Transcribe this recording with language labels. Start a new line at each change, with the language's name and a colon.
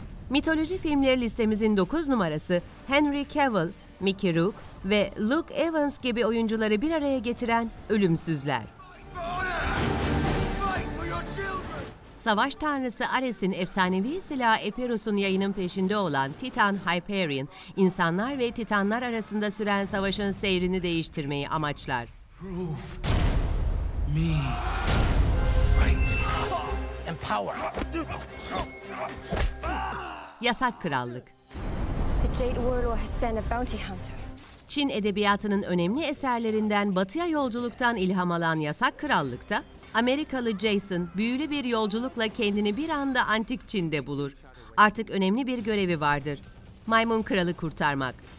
Turkish: Mitoloji filmleri listemizin 9 numarası, Henry Cavill, Mickey Rourke ve Luke Evans gibi oyuncuları bir araya getiren Ölümsüzler. Savaş tanrısı Ares'in efsanevi silahı Epirus'un yayının peşinde olan Titan Hyperion, insanlar ve Titanlar arasında süren savaşın seyrini değiştirmeyi amaçlar.
English: Prove me right and power.
Turkish: Yasak Krallık.
English: The Jade Warlord has sent a bounty hunter.
Turkish: Çin edebiyatının önemli eserlerinden Batı'ya yolculuktan ilham alan Yasak Krallık'ta Amerikalı Jason büyülü bir yolculukla kendini bir anda antik Çin'de bulur. Artık önemli bir görevi vardır. Maymun Kralı kurtarmak.